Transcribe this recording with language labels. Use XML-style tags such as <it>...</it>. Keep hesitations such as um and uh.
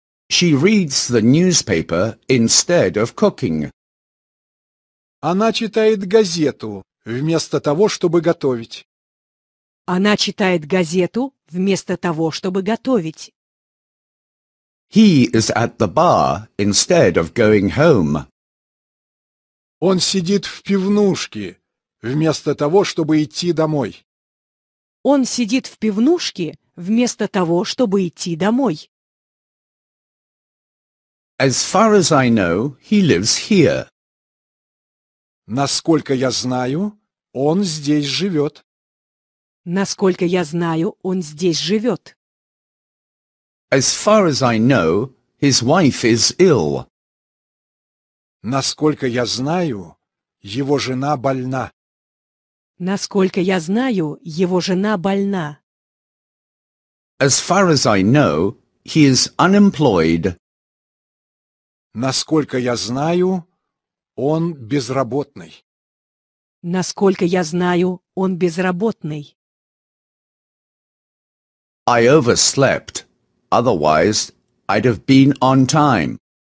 <en>She reads the newspaper instead of cooking.</en> <ru>Она читает газету вместо того, чтобы готовить. Она читает газету вместо того, чтобы готовить.</ru> <en>He is at the bar instead of going home.</en> <ru>Он сидит в пивнушке вместо того, чтобы идти домой. Он сидит в пивнушке вместо того, чтобы идти домой.</ru> <en>As far as I know, he lives here.</en> <ru>Насколько я знаю, он здесь живет. Насколько я знаю, он здесь живет.</ru> <en>As far as I know, his wife is ill.</en> <ru>Насколько я знаю, его жена больна. Насколько я знаю, его жена больна.</ru> <en>As far as I know, he is unemployed.</en> <ru>Насколько я знаю, он безработный. Насколько я знаю, он безработный.</ru> <en>I overslept. Otherwise, I'd have been on time.</en>